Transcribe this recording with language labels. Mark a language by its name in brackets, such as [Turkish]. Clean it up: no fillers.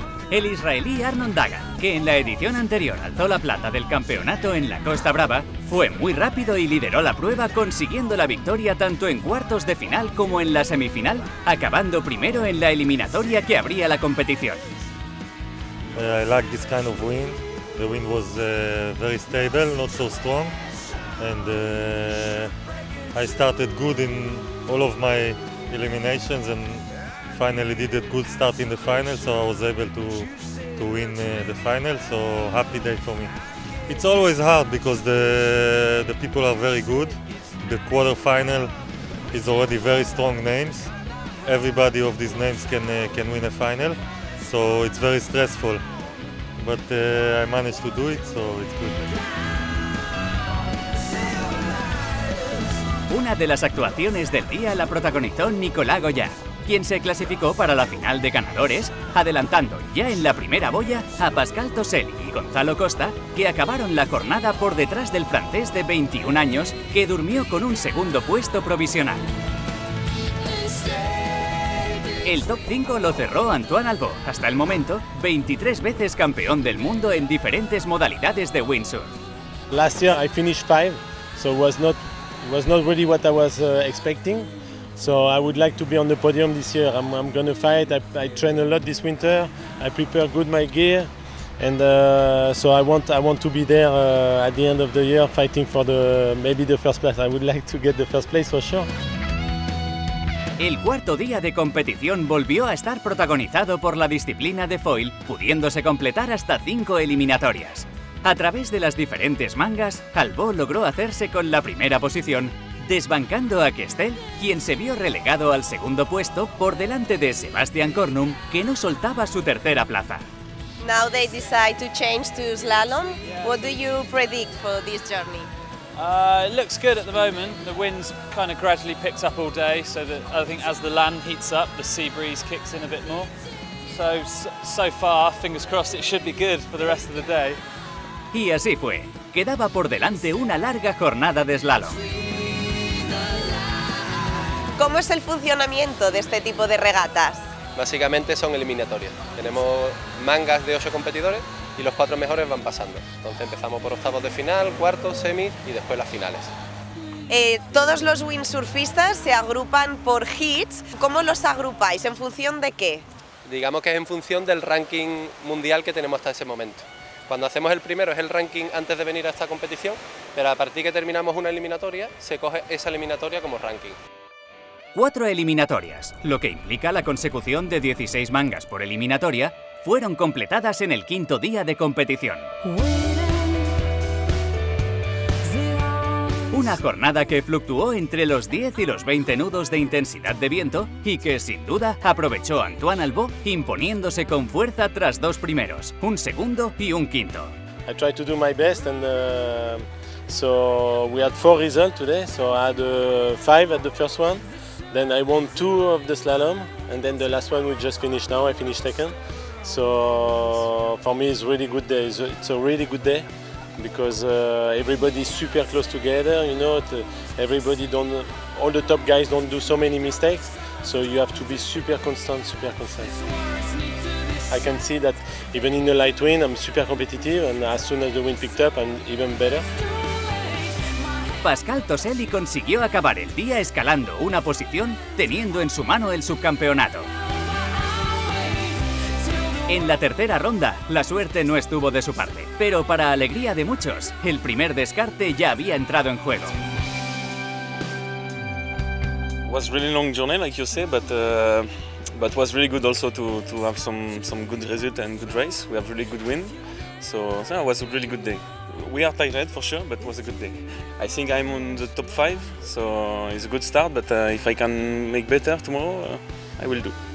[Spanish] El israelí Arnon Dagan, que en la edición anterior alzó la plata del campeonato en la Costa Brava, fue muy rápido y lideró la prueba consiguiendo la victoria tanto en cuartos de final como en la semifinal, acabando primero en la eliminatoria que abría la competición. [English] I like this kind of wind. The wind was very stable, not so strong, and I started good in all of my eliminations and finally did a good start in the final, so I was able to win the final, so happy day for me. It's always hard because the people are very good. The quarterfinal is already very strong names. Everybody of these names can win a final, so it's very stressful. But I managed to do it, so it's good. [Spanish] Una de las actuaciones del día la protagonizó Nicolás Goya, quien se clasificó para la final de ganadores, adelantando ya en la primera boya a Pascal Toselli y Gonzalo Costa, que acabaron la jornada por detrás del francés de 21 años, que durmió con un segundo puesto provisional. El top 5 lo cerró Antoine Albo, hasta el momento 23 veces campeón del mundo en diferentes modalidades de windsurf. [English] Last year I finished 5, so was not really what I was expecting. So I would like to be on the podium this year. I'm going to fight. I train a lot this winter. I prepare good my gear, and so I want to be there at the end of the year fighting for maybe the first place. I would like to get the first place for sure. [Spanish] El cuarto día de competición volvió a estar protagonizado por la disciplina de foil, pudiéndose completar hasta 5 eliminatorias. A través de las diferentes mangas, Albo logró hacerse con la primera posición, desbancando a Kestel, quien se vio relegado al segundo puesto por delante de Sebastian Kornum, que no soltaba su tercera plaza. [English] Now they decide to change to slalom. What do you predict for this journey? It looks good at the moment. The wind's kind of gradually picked up all day, so that I think as the land heats up, the sea breeze kicks in a bit more. So far, fingers crossed, it should be good for the rest of the day. [Spanish] Y así fue. Quedaba por delante una larga jornada de slalom. ¿Cómo es el funcionamiento de este tipo de regatas? Básicamente son eliminatorias. Tenemos mangas de 8 competidores y los 4 mejores van pasando. Entonces empezamos por octavos de final, cuartos, semis y después las finales. Todos los windsurfistas se agrupan por hits. ¿Cómo los agrupáis? ¿En función de qué? Digamos que es en función del ranking mundial que tenemos hasta ese momento. Cuando hacemos el primero es el ranking antes de venir a esta competición, pero a partir que terminamos una eliminatoria, se coge esa eliminatoria como ranking. 4 eliminatorias, lo que implica la consecución de 16 mangas por eliminatoria, fueron completadas en el quinto día de competición. Una jornada que fluctuó entre los 10 y los 20 nudos de intensidad de viento y que, sin duda, aprovechó Antoine Albo imponiéndose con fuerza tras 2 primeros, un segundo y un quinto. [English] I tried to do my best and so we had 4 results today, so I had 5 at the first one. Then I won 2 of the slalom and then the last one we just finished now, I finished second. So for me it's a really good day, it's a really good day because everybody is super close together, you know, everybody all the top guys don't do so many mistakes. So you have to be super constant, super consistent. I can see that even in the light wind, I'm super competitive, and as soon as the wind picked up, I'm even better. [Spanish] Pascal Toselli consiguió acabar el día escalando una posición, teniendo en su mano el subcampeonato. En la tercera ronda, la suerte no estuvo de su parte, pero para alegría de muchos, el primer descarte ya había entrado en juego. [English] Was really long journey, like you say, but was really good also to have some good result and good race. We have really good win, so yeah, it was a really good day. We are tired for sure, but it was a good day. I think I'm on the top five, so it's a good start. But if I can make better tomorrow, I will do.